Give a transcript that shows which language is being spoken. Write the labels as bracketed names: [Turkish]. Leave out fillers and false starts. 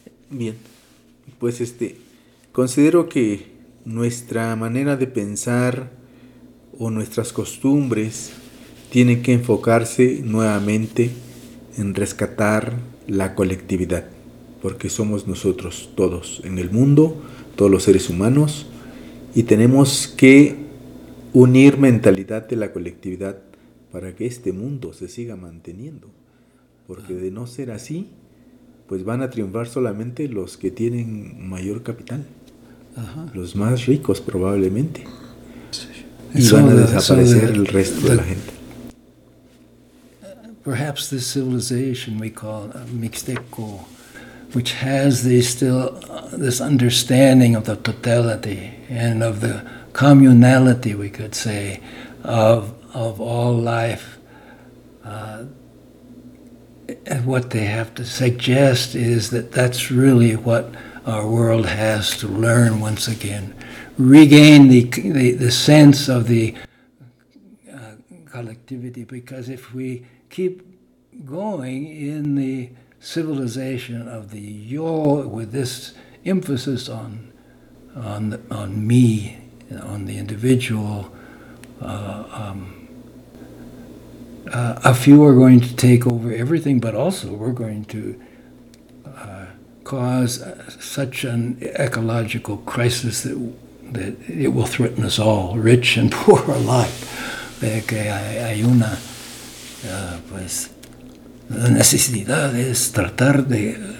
[Spanish] Bien, pues considero que nuestra manera de pensar o nuestras costumbres tienen que enfocarse nuevamente en rescatar la colectividad, porque somos nosotros todos en el mundo, todos los seres humanos, y tenemos que unir mentalidad de la colectividad para que este mundo se siga manteniendo, porque de no ser así, pues van a triunfar solamente los que tienen mayor capital, los más ricos probablemente, y van a desaparecer el resto de la gente. [English] Perhaps this civilization we call Mixteco, which has this still this understanding of the totality and of the communality, we could say, of all life, what they have to suggest is that that's really what our world has to learn once again. Regain the sense of the collectivity, because if we keep going in the civilization of the yo with this emphasis on me, on the individual, a few are going to take over everything, but also we're going to cause such an ecological crisis that it will threaten us all, rich and poor alike. [Spanish] De que hay una pues la necesidad es tratar de